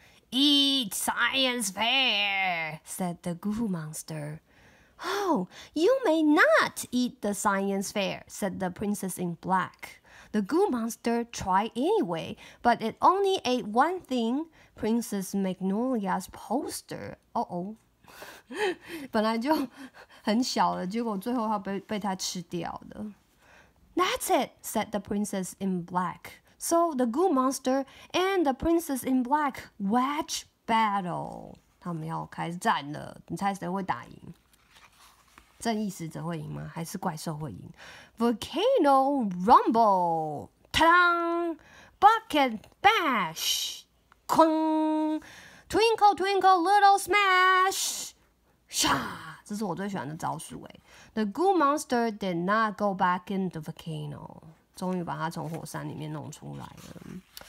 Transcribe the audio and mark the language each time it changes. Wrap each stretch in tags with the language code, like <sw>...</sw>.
<en>Eat science fair, said the goo monster. Oh, you may not eat the science fair, said the princess in black. The goo monster tried anyway, but it only ate one thing, Princess Magnolia's poster. Uh-oh.</en> <zh>本来就很小了，结果最后它被它吃掉的。</zh> <en>That's it, said the princess in black. So the goo monster and the princess in black wage battle.</en> <zh>他们要开战了，你猜谁会打赢？正义使者会赢吗？还是怪兽会赢</zh> <en>？Volcano rumble, 汤 ，bucket bash, 哐 ，twinkle twinkle little smash, 唰！</en> <zh>这是我最喜欢的招数哎。</zh> <en>The goo monster did not go back in the volcano.</en> <zh>终于把它从火山里面弄出来了。</zh>